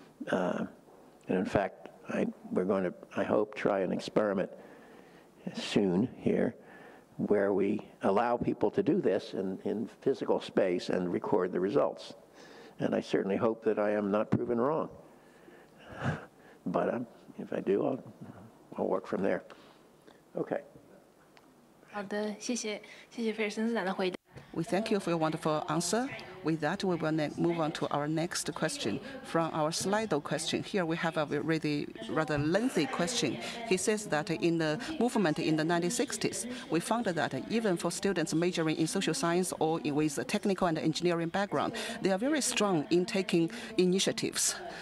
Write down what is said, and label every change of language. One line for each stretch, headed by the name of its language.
English: And in fact, we're going to, I hope, try an experiment soon here where we allow people to do this in physical space and record the results. And I certainly hope that I am not proven wrong. But if I do, I'll work from there. Okay.
Chinese: 好的，谢谢，谢谢菲尔森斯坦的回答。
English: We thank you for your wonderful answer. With that, we will move on to our next question from our Slido question. Here we have a really rather lengthy question. He says that in the movement in the 1960s, we found that even for students majoring in social science or with a technical and engineering background, they are very strong in taking initiatives.